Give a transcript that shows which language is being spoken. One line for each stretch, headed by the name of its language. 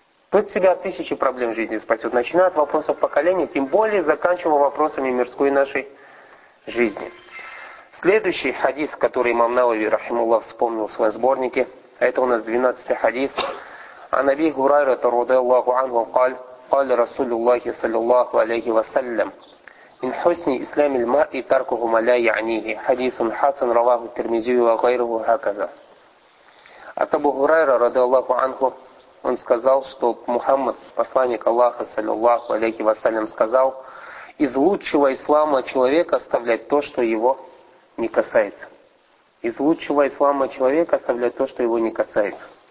Russian: Тот себя от тысячи проблем жизни спасет. Начиная от вопросов поколения, тем более заканчивая вопросами мирской нашей жизни. Следующий хадис, который имам Навави, рахимуллах, вспомнил в своем сборнике, это у нас 12-й хадис.
Arabic: عن أبي هريرة رضي الله عنه قال قال رسول الله صلى الله عليه وسلم من حسن إسلام المرء تركه ما لا يعنيه حديث حسن رواه الترمذي وغيره هكذا.
Russian: От Абу Хурайра
Arabic: رضي الله عنه
Russian: он сказал, что Мухаммад, посланник Аллаха
Arabic: صلى الله عليه وسلم,
Russian: сказал, из лучшего ислама человека оставлять то, что его не касается. Из лучшего ислама человека оставлять то, что его не касается.